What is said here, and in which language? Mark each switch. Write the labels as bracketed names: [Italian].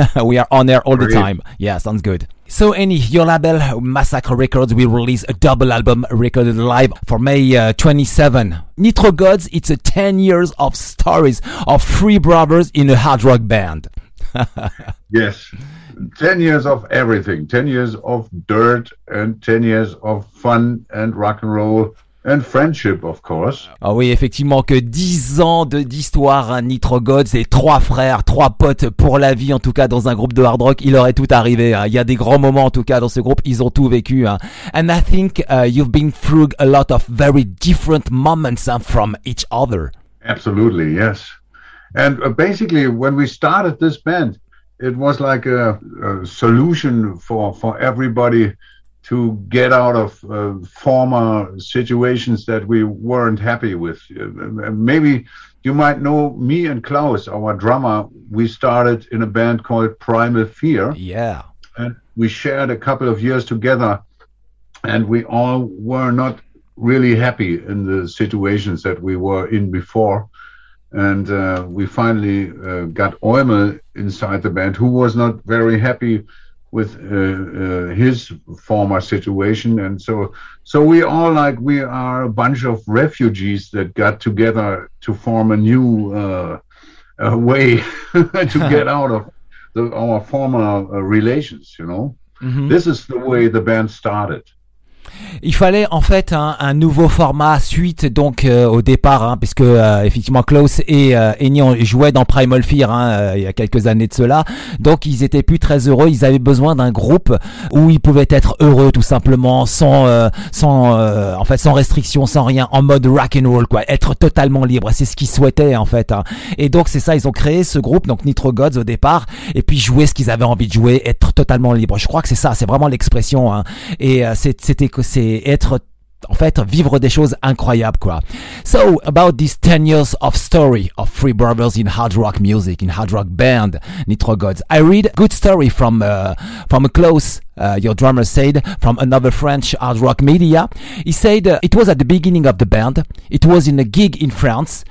[English] We are on there all the time. Yeah, sounds good. So any your label, Massacre Records, will release a double album recorded live for May 27. Nitro Gods, it's a 10 years of stories of three brothers in a hard rock band. Yes, 10 years of everything. 10 years of dirt and 10 years of fun and rock and roll. And friendship, of course. [French] Ah oui, effectivement, que 10 ans d'histoire, hein, Nitro Gods, et trois frères, trois potes pour la vie, en tout cas, dans un groupe de hard rock, il aurait tout arrivé. Hein. Il y a des grands moments, en tout cas, dans ce groupe, ils ont tout vécu. Hein. [English] And I think you've been through a lot of very different moments from each other. Absolutely, yes. And basically, when we started this band, it was like a solution for everybody to get out of former situations that we weren't happy with. Maybe you might know me and Klaus, our drummer. We started in a band called Primal Fear. Yeah. And we shared a couple of years together, and we all were not really happy in the situations that we were in before. And we finally got Oimel inside the band, who was not very happy with his former situation, and so we all, like, we are a bunch of refugees that got together to form a new way to get out of our former relations, you know. Mm-hmm. This is the way the band started. [French] Il fallait en fait un nouveau format suite donc au départ, hein, puisque effectivement Klaus et Eni jouaient dans Primal Fear il y a quelques années de cela, donc ils étaient plus très heureux, ils avaient besoin d'un groupe où ils pouvaient être heureux tout simplement, sans restriction, sans rien, en mode rock and roll, quoi, être totalement libre, c'est ce qu'ils souhaitaient en fait, hein. Et donc c'est ça, ils ont créé ce groupe, donc Nitro Gods au départ, et puis jouer ce qu'ils avaient envie de jouer, être totalement libre, je crois que c'est ça, c'est vraiment l'expression, hein. Et c'est être, en fait, vivre des choses incroyables, quoi. [English] So, about these 10 years of story of three brothers in hard rock music, in hard rock band, Nitro Gods. I read a good story from a close, your drummer said, from another French hard rock media. He said, it was at the beginning of the band. It was in a gig in France.